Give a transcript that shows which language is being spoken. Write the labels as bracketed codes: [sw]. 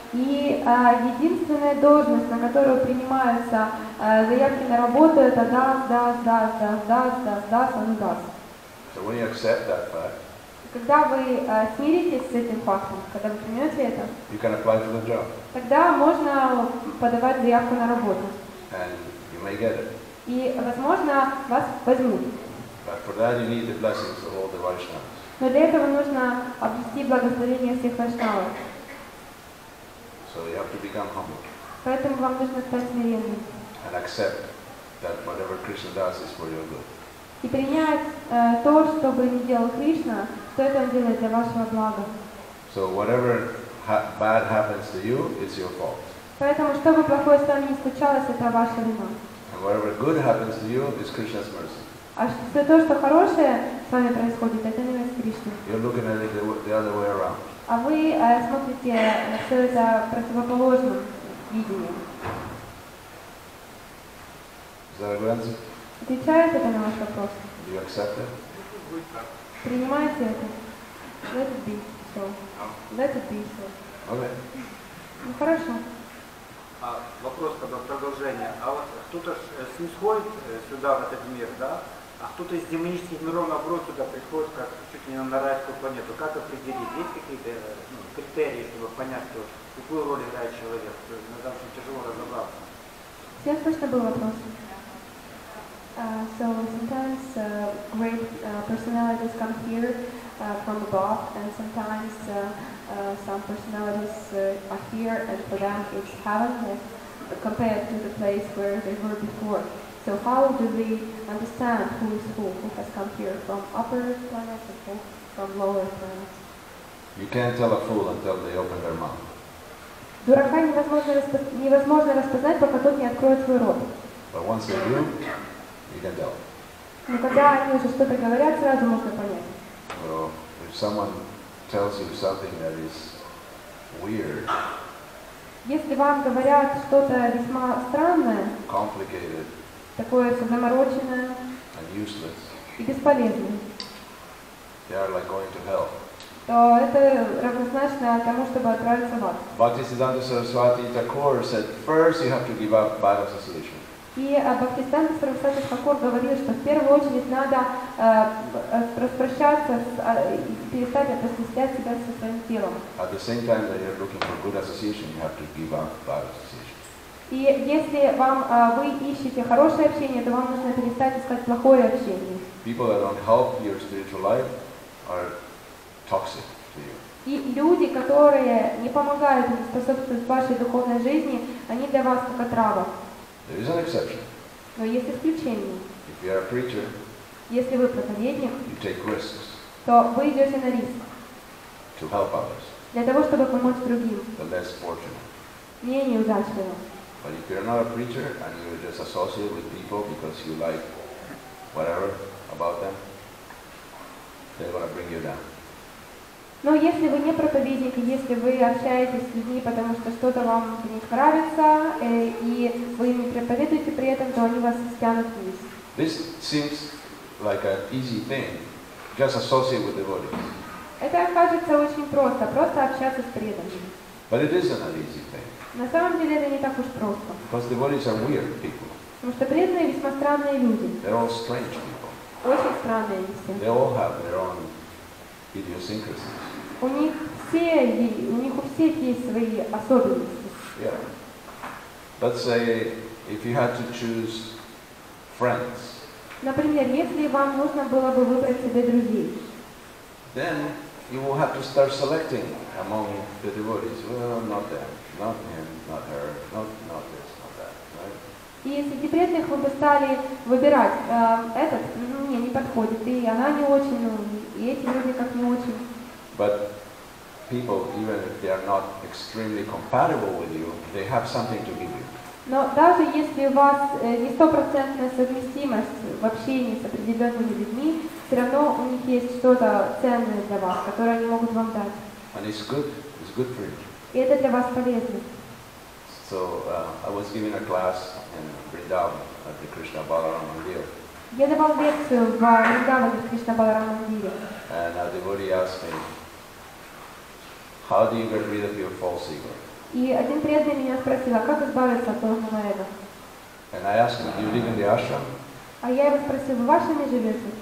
[ru] И единственная должность, на которую принимаются заявки на работу, это «дас, дас, дас, дас, дас, дас, дас, он дас». [en] So when you accept that fact, [ru] когда вы смиритесь с этим фактом, когда вы примете это, [en] you can apply for the job. [ru] Тогда можно подавать заявку на работу. [en] And you may get it. [ru] И, возможно, вас возьмут. [en] But for that you need the blessings of all the Vaishnavas. [ru] Но для этого нужно обрести благословение всех Вайшнавов. [en] So you have to become humble. [ru] Поэтому вам нужно стать смиренным. [en] And accept that whatever Krishna does is for your good. [ru] И принять то, что бы ни делал Кришна, что это он делает для вашего блага. [en] So whatever bad happens to you, it's your fault. [ru] Поэтому что бы плохое с вами ни случалось, это ваша вина. [en] And whatever good happens to you is Krishna's mercy. [ru] А что то, что хорошее с вами происходит, это милость Кришны. [en] You're looking at it the other way around. [ru] А вы смотрите на все это противоположным видением. Отвечает это на ваш вопрос? [en] Do you accept it? [ru] Принимаете это? [en] Let it be so. Let it be so. Okay. [ru] Ну хорошо. А вопрос тогда продолжение. А вот кто-то снисходит сюда, в этот мир, да? А кто-то из демонических миров, наоборот, туда приходит, как чуть ли не на райскую планету. Как определить? Есть какие-то критерии, чтобы понять, что, какую роль играет человек? То есть, иногда очень тяжело разобраться. Всем точно был вопрос? [en] So sometimes great personalities come here from above, and sometimes some personalities are here, and for them it's heaven compared to the place where they were before. So how do we understand who is who has come here from upper planets and who from lower planets? You can't tell a fool until they open their mouth. [ru] Дурака невозможно распознать, пока тот не откроет свой рот. [en] But once they do, you can tell. [ru] Но когда они уже что-то говорят, сразу можно понять. [en] Well, if someone tells you something that is weird, [ru] если вам говорят что-то весьма странное, [en] complicated, [ru] такое все замороченное [en] and useless, [ru] и бесполезное, [en] they are like going to hell, [ru] то это равнозначно тому, чтобы отправиться в ад. [en] Bhaktisiddhanta Saraswati Thakur said, first you have to give up bad association. [ru] И Бхактисиддханта Сарасвати Тхакур говорил, что в первую очередь надо распрощаться и перестать отождествлять себя со своим телом. [en] At the same time that you're looking for good association, you have to give up bad association. [ru] И если вам вы ищете хорошее общение, то вам нужно перестать искать плохое общение. [en] People that don't help your spiritual life are toxic to you. [ru] И люди, которые не помогают, не способствуют вашей духовной жизни, они для вас как отрава. [en] There is an exception. [ru] Но есть исключение. [en] If you are a preacher, [ru] если вы проповедник, [en] you take risks, [ru] то вы идете на риск [en] to help others, [ru] для того, чтобы помочь другим, [en] the less fortunate, [ru] менее удачливым. [en] But if you're not a preacher and you just associate with people because you like whatever about them, they're gonna bring you down. [ru] Но если вы не проповедник, если вы общаетесь с людьми, потому что что-то вам в них нравится, и вы не проповедуете при этом, то они вас стянут вниз. [en] This seems like an easy thing. Just associate with the body. [ru] Это кажется очень просто, просто общаться с преданными. [en] But it isn't an easy thing. [ru] На самом деле это не так уж просто. [en] Because the bodies are weird people. [ru] Потому что преданные весьма странные люди. [en] They're all strange people. [ru] Очень странные люди. [en] They all have their own idiosyncrasies. [ru] У них у всех есть свои особенности. [en] Yeah. Let's say if you had to choose friends. [ru] Например, если вам нужно было бы выбрать себе друзей. [en] Then you will have to start selecting among the devotees. Well, not them, not him, not her, not this, not that, right? [ru] И среди преданных вы бы стали выбирать этот, не подходит, и она не очень, и эти люди как не очень. [en] But people, even if they are not extremely compatible with you, they have something to give you. [ru] Но даже если у вас не стопроцентная совместимость в общении с определенными людьми, все равно у них есть что-то ценное для вас, которое они могут вам дать. [en] And it's good for you. [ru] И это для вас полезно. [en] So I was giving a class in Vrindavan at the Krishna Balaram Mandir. [ru] Я давал лекцию в Вриндаване в Кришна Баларама Мандире. [en] And a devotee asked me, how do you get rid of your false ego? [ru] И один преданный меня спросил, а как избавиться от ложного эго? [en] And I asked him, do you live in the ashram? [ru] А я его спросил, вы в ашраме живете?